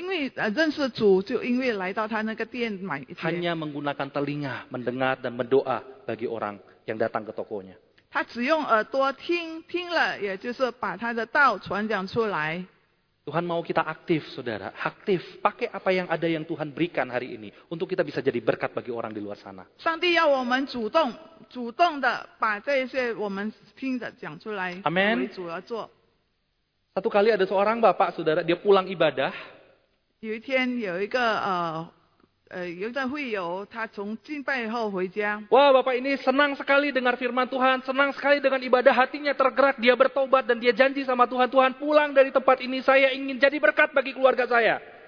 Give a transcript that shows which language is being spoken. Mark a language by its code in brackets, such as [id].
[zh] 可是呢，他一直呢就在重复的这样子做，结果呢有很多人认识，因为认识主，就因为来到他那个店买。 [id] Hanya menggunakan telinga mendengar dan berdoa bagi orang yang datang ke tokonya. [zh] 他只用耳朵听，听了也就是把他的道传讲出来。 [id] Tuhan mau kita aktif, saudara. Aktif. Pakai apa yang ada yang Tuhan berikan hari ini untuk kita bisa jadi berkat bagi orang di luar sana. [zh] 上帝要我们主动的把这些我们听的讲出来。 [id] Amen. [zh] 为主而做。 [id] Satu kali ada seorang bapak, saudara, dia pulang ibadah. [zh] 有一天有一个会友，他从敬拜后回家。 [id] Wah, bapak ini senang sekali dengar firman Tuhan, senang sekali dengan ibadah, hatinya tergerak, dia bertobat dan dia janji sama Tuhan, Tuhan pulang dari tempat ini, saya ingin jadi berkat bagi keluarga saya.